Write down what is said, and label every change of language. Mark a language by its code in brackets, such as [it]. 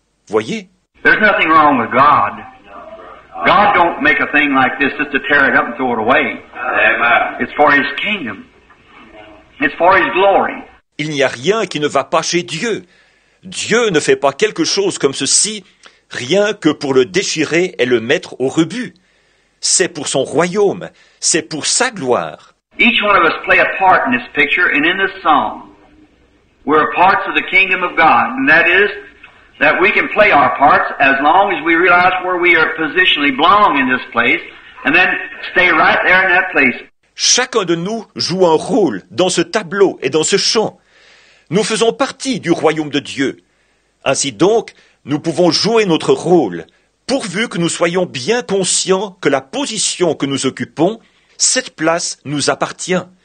[fr] Voyez? [en] There's nothing wrong with God. God don't make a thing like this just to tear it up and throw it away. It's for his kingdom. It's for his glory. [fr] Il n'y a rien qui ne va pas chez Dieu. Dieu ne fait pas quelque chose comme ceci, rien que pour le déchirer et le mettre au rebut. C'est pour son royaume, c'est pour sa gloire. [en] Each one of us play a part in this picture and in this song. We're parts of the kingdom of God, and that is that we can play our parts as long as we realize where we are positionally belong in this place, and then stay right there in that place. [fr] Chacun de nous joue un rôle dans ce tableau et dans ce chant. Nous faisons partie du royaume de Dieu. Ainsi donc, nous pouvons jouer notre rôle, pourvu que nous soyons bien conscients que la position que nous occupons, cette place nous appartient.